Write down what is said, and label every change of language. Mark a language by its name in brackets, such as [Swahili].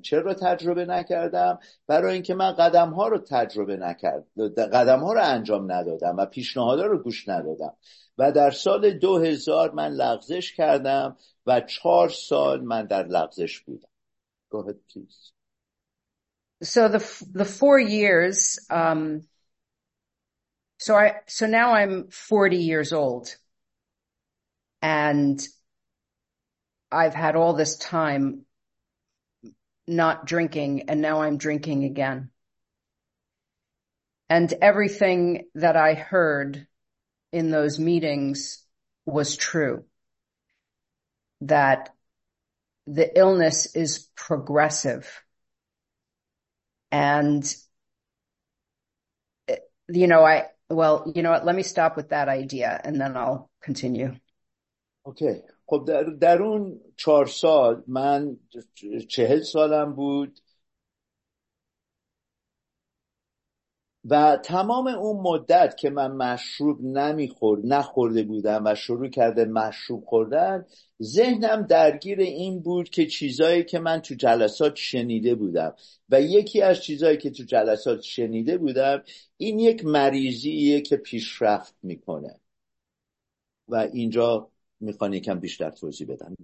[Persian] چرا تجربه نکردم؟ برای اینکه من قدمها رو تجربه نکردم، قدمها رو انجام ندادم و پیشنهادها رو گوش ندادم. و در سال 2000 من لغزش کردم و 4 سال من در لغزش بودم. [English] Go ahead, please. So the 4 years, so now I'm 40 years old, and I've had all this time not drinking, and now I'm drinking again. And everything that I heard in those meetings was true, that the illness is progressive. And, you know, let me stop with that idea and then I'll continue. Okay. [Persian] خب در اون 4 سال من 40 سالم بود و تمام اون مدت که من مشروب نخورده بودم و شروع کرده مشروب خوردن، ذهنم درگیر این بود که چیزایی که من تو جلسات شنیده بودم، و یکی از چیزایی که تو جلسات شنیده بودم این یک مریضیه که پیشرفت میکنه، و اینجا میخوام یکم بیشتر توضیح بدم.